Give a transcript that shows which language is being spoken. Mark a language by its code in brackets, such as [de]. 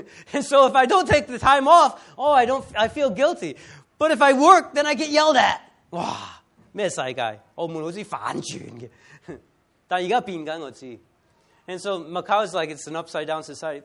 [en] And so, if I don't take the time off, oh, I feel guilty. But if I work, then I get yelled at. [yue] 哇,什麼世界?澳門好像反轉的。但現在正在變,我知道。 [en] And so, Macau is like, it's an upside-down society.